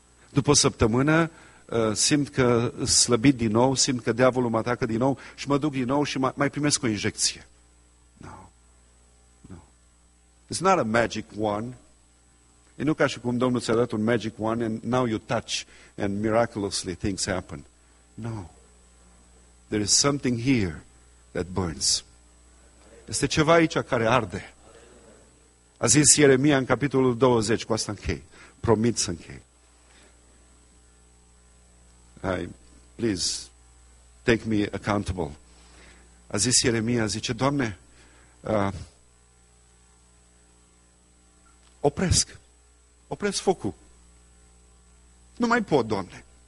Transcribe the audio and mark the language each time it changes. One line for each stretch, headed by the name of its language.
Romanian: După o săptămână simt că slăbit din nou, simt că diavolul mă atacă din nou și mă duc din nou și mai primesc o injecție.
English: No. It's not a magic wand.
Romanian: E nu ca și cum Domnul ți-a dat un
English: magic wand and now you touch and miraculously things happen. No. There is something here that burns.
Romanian: Este ceva aici care arde. A zis Ieremia în capitolul 20, cu asta închei. Promit să închei.
English: Hai, please, take me accountable.
Romanian: A zis Ieremia, zice, Doamne, opresc focul. Nu mai pot, Doamne.